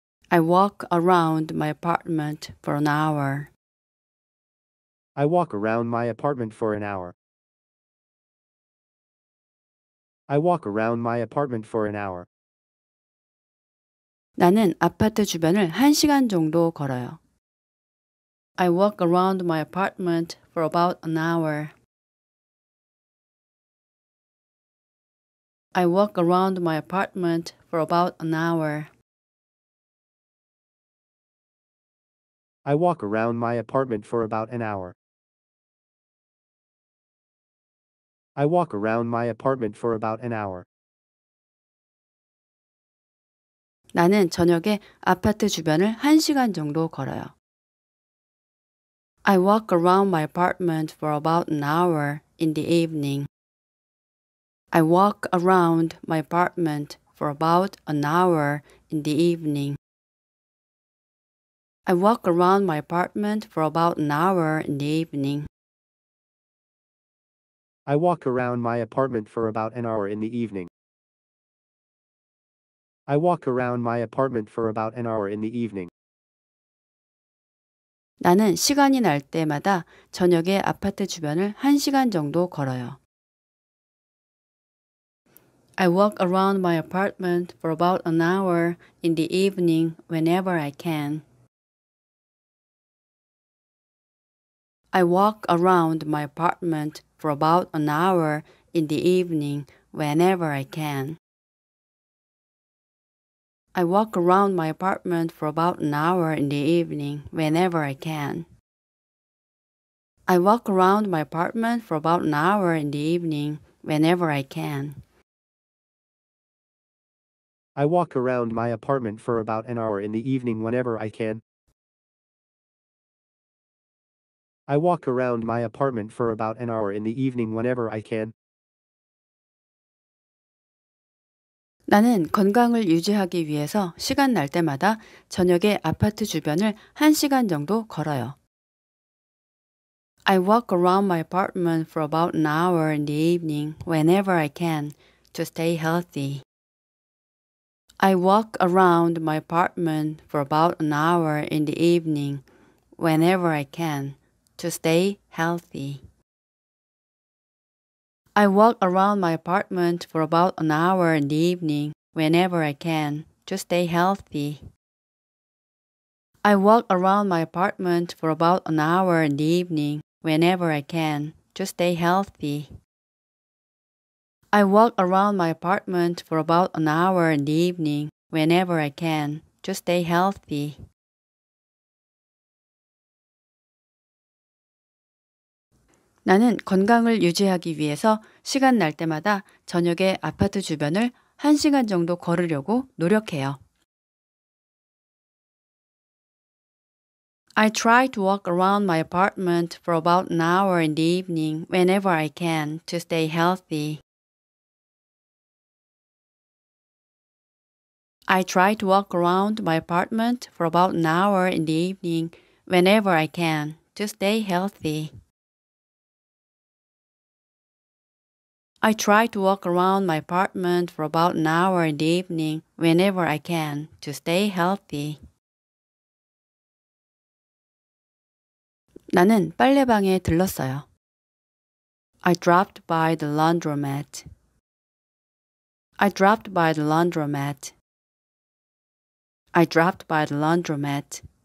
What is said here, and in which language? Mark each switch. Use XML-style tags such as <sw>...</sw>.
<en>I walk around my apartment for an hour. I walk around my apartment for an hour. I walk around my apartment for an hour.</en> <ko>나는 아파트 주변을 한 시간 정도 걸어요.</ko> <en>I walk around my apartment for about an hour. I walk around my apartment for about an hour. I walk around my apartment for about an hour. I walk around my apartment for about an hour.</en> <ko>나는 저녁에 아파트 주변을 한 시간 정도 걸어요.</ko> <en>I walk around my apartment for about an hour in the evening. I walk around my apartment for about an hour in the evening. I walk around my apartment for about an hour in the evening. I walk around my apartment for about an hour in the evening. I walk around my apartment for about an hour in the evening.</en> <ko>나는 시간이 날 때마다 저녁에 아파트 주변을 한 시간 정도 걸어요.</ko> <en>I walk around my apartment for about an hour in the evening whenever I can. I walk around my apartment for about an hour in the evening whenever I can. I walk around my apartment for about an hour in the evening whenever I can. I walk around my apartment for about an hour in the evening whenever I can. I walk around my apartment for about an hour in the evening whenever I can. I walk around my apartment for about an hour in the evening whenever I can.</en> <ko>나는 건강을 유지하기 위해서 시간 날 때마다 저녁에 아파트 주변을 한 시간 정도 걸어요.</ko> <en>I walk around my apartment for about an hour in the evening whenever I can to stay healthy. I walk around my apartment for about an hour in the evening whenever I can. To stay healthy. I walk around my apartment for about an hour in the evening whenever I can to stay healthy. I walk around my apartment for about an hour in the evening whenever I can to stay healthy. I walk around my apartment for about an hour in the evening whenever I can to stay healthy.</en> <ko>나는 건강을 유지하기 위해서 시간 날 때마다 저녁에 아파트 주변을 한 시간 정도 걸으려고 노력해요.</ko> <en>I try to walk around my apartment for about an hour in the evening whenever I can to stay healthy. I try to walk around my apartment for about an hour in the evening whenever I can to stay healthy. I try to walk around my apartment for about an hour in the evening whenever I can to stay healthy.</en> <ko>나는 빨래방에 들렀어요.</ko> <en>I dropped by the laundromat. I dropped by the laundromat. I dropped by the laundromat.</en>